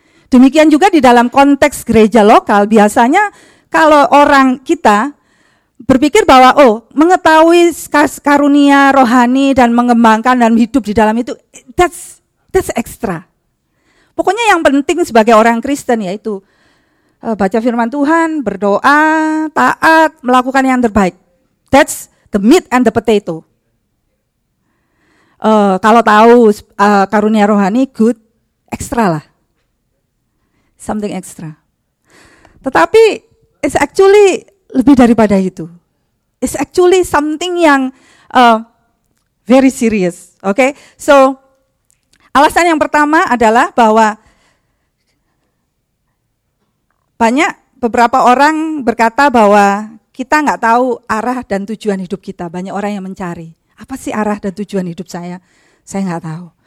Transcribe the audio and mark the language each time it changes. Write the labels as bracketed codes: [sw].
[id] Demikian juga di dalam konteks gereja lokal, biasanya kalau orang kita berpikir bahwa, oh, mengetahui karunia rohani dan mengembangkan dan hidup di dalam itu, [en] that's extra. [id] Pokoknya yang penting sebagai orang Kristen yaitu baca firman Tuhan, berdoa, taat, melakukan yang terbaik. [en] That's the meat and the potato. [id] Kalau tahu karunia rohani, [en] good, [id] extra lah. [en] Something extra. [id] Tetapi, [en] it's actually [id] lebih daripada itu. [en] It's actually something [id] yang [en] very serious. Okay? [id] So, alasan yang pertama adalah bahwa banyak beberapa orang berkata bahwa kita enggak tahu arah dan tujuan hidup kita. Banyak orang yang mencari. Apa sih arah dan tujuan hidup saya? Saya enggak tahu.